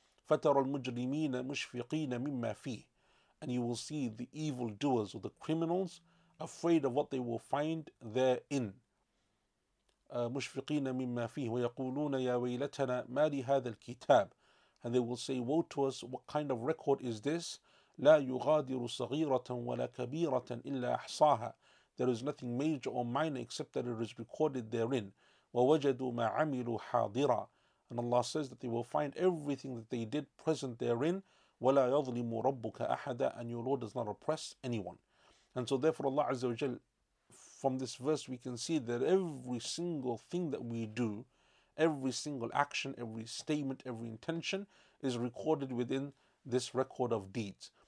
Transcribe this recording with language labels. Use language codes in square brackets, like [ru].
[ar] فَتَرَى الْمُجْرِمِينَ مُشْفِقِينَ مِمَّا فِيهِ. [en] And you will see the evil doers or the criminals afraid of what they will find therein. [ar] مُشْفِقِينَ مِمَّا فِيهِ وَيَقُولُونَ يَا وَيْلَتَنَا مَا لِهَذَا الْكِتَابِ. [en] And they will say, woe to us, what kind of record is this? [ar] لا يغادر صغيرة ولا كبيرة إلا أحصاها. [en] There is nothing major or minor except that it is recorded therein. [ar] ووجدوا ما عملوا حاضرا. [en] And Allah says that they will find everything that they did present therein. [ar] ولا يظلم ربك أحدا. [en] And your Lord does not oppress anyone. And so therefore Allah Azza wa Jal, from this verse we can see that every single thing that we do, every single action, every statement, every intention is recorded within this record of deeds.